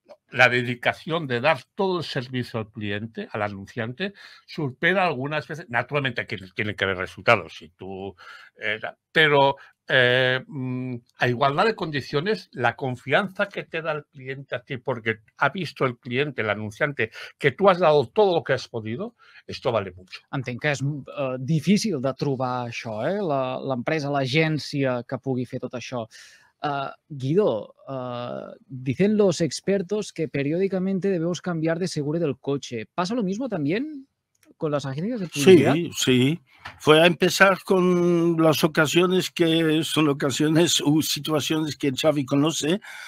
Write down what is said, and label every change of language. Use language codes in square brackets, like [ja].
[es] La dedicación de dar todo el servicio al cliente, al anunciante, supera algunas veces, naturalmente tiene que haber resultados, si tú, pero... a igualdad de condiciones, la confianza que te da el cliente a ti, porque ha visto el cliente, el anunciante, que tú has dado todo lo que has podido, esto vale mucho. [ca] Entenc que és difícil de trobar això, l'empresa, l'agència que pugui fer tot això. [es] Guido, dicen los expertos que periódicamente debemos cambiar de seguro del coche. ¿Pasa lo mismo también con las agencias de publicidad? Sí, sí. Fue a empezar con las ocasiones que son ocasiones o situaciones que Xavi conoce.